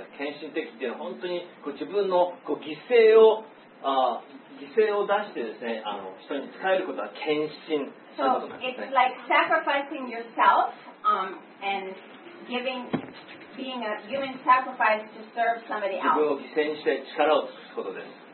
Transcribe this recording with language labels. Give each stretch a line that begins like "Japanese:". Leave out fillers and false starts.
Japanese: 献身的っていうのは本当にこう自分のこう犠牲を出してですね、人に使えることは献身ということなんですね。
English: So it's like sacrificing yourself, and giving, being a human sacrifice to serve somebody else.
Japanese: 自分を犠牲にして力を尽くすことです。